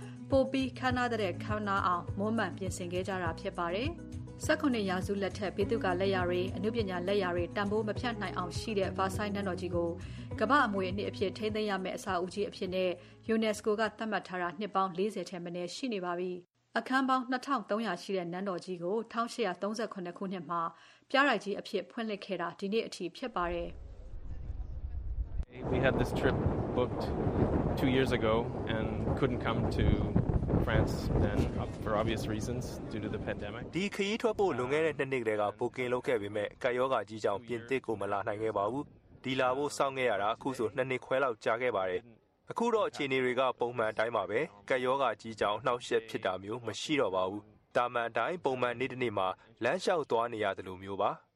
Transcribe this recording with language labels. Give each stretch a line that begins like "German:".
Burmese: ပိုပြီးခန်းနာတဲ့ခန်းနာအောင်မွန်းမှန်ပြင်ဆင်ခဲ့ကြတာဖြစ်ပါတယ်။18ရာစုလက်ထက်ပြည်သူကလက်ရာတွေအမှုပညာလက်ရာတွေတန်ဖိုးမပြတ်နိုင်အောင်ရှိတဲ့ Versailles နန်းတော်ကြီးကိုကမ္ဘာအမွေအနှစ်အဖြစ်ထိန်းသိမ်းရမယ့်အစအဦးကြီးအဖြစ်နဲ့ UNESCO ကသတ်မှတ်ထားတာနှစ်ပေါင်း40ထဲမှနေရှိနေပါပြီ။အခန်းပေါင်း2300ရှိတဲ့နန်းတော်ကြီးကို1839ခုနှစ်မှာပြားရိုက်ကြီးအဖြစ်ဖွင့်လှစ်ခဲ့တာဒီနေ့အထိဖြစ်ပါတယ်။
English: We had this trip booked 2 years ago and couldn't come to France then for obvious reasons due to the pandemic.
Burmese: ဒီခရီးထွက်ဖို့လွန်ခဲ့တဲ့နှစ်နှစ်ကလေးကဘိုကင်လုပ်ခဲ့ပေမဲ့ကာယောဂါကြီးကြောင့်ပြင်သစ်ကိုမလာနိုင်ခဲ့ပါဘူး။ဒီလာဖို့စောင့်ခဲ့ရတာအခုဆိုနှစ်နှစ်ခွဲလောက်ကြာခဲ့ပါတယ်။အခုတော့အခြေအနေတွေကပုံမှန်အတိုင်းပါပဲ။ကာယောဂါကြီးကြောင့်နှောက်ယှက်ဖြစ်တာမျိုးမရှိတော့ပါဘူး။ဒါမှန်တိုင်းပုံမှန်နေ့တစ်နေ့မှာလမ်းလျှောက်သွားနေရတယ်လို့မျိုးပါ။